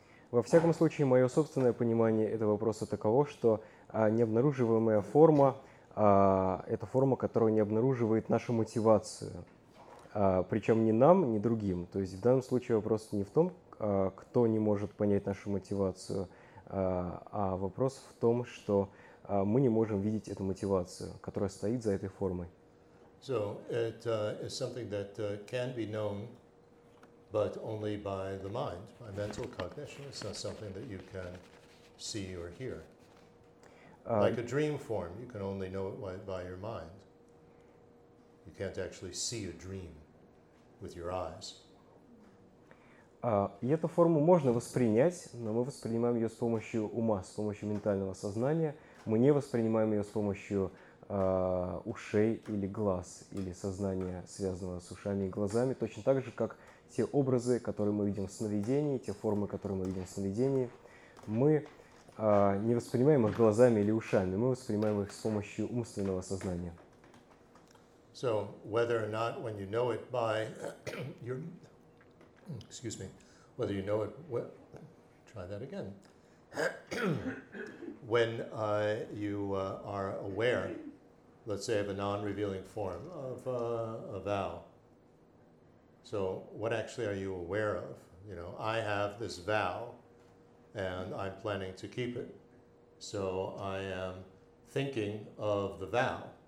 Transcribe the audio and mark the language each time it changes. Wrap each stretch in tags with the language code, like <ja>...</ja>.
<ru>Во всяком случае, мое собственное понимание этого вопроса таково, что необнаруживаемая форма – это форма, которая не обнаруживает нашу мотивацию. Причем не нам, не другим. То есть в данном случае вопрос не в том, кто не может понять нашу мотивацию, а вопрос в том, что мы не можем видеть эту мотивацию, которая стоит за этой формой.</ru> <en>So it is something that can be known, but only by the mind, by mental cognition. It's not something that you can see or hear. Like a dream form, you can only know it by your mind. You can't actually see a dream. With your eyes.</en> <ru>И эту форму можно воспринять, но мы воспринимаем ее с помощью ума, с помощью ментального сознания. Мы не воспринимаем ее с помощью ушей или глаз, или сознания, связанного с ушами и глазами, точно так же, как те образы, которые мы видим в сновидении, те формы, которые мы видим в сновидении. Мы не воспринимаем их глазами или ушами, мы воспринимаем их с помощью умственного сознания.</ru> <en>So whether or not when you know it by your excuse me whether you know it what try that again when you are aware let's say of a non-revealing form of a vow so what actually are you aware of you know I have this vow and I'm planning to keep it so I am thinking of the vow.</en>